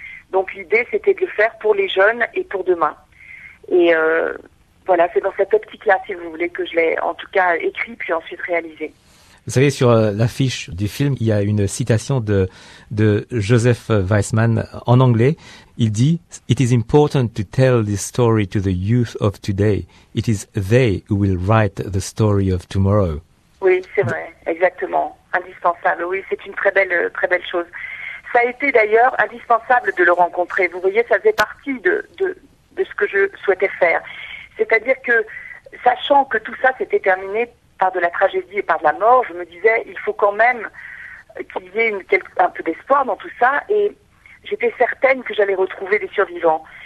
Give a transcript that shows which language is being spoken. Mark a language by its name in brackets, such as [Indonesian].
[French] Donc l'idée, c'était de le faire pour les jeunes et pour demain. Et voilà, c'est dans cette optique-là, si vous voulez, que je l'ai en tout cas écrit, puis ensuite réalisé. Vous savez, sur l'affiche du film, il y a une citation de Joseph Weissmann en anglais. Il dit [English] « It is important to tell this story to the youth of today. It is they who will write the story of tomorrow. » [French] Oui, c'est vrai, exactement. Indispensable, oui, c'est une très belle chose. Ça a été d'ailleurs indispensable de le rencontrer. Vous voyez, ça faisait partie de ce que je souhaitais faire. C'est-à-dire que, sachant que tout ça s'était terminé par de la tragédie et par de la mort, je me disais, il faut quand même qu'il y ait un peu d'espoir dans tout ça, et j'étais certaine que j'allais retrouver des survivants.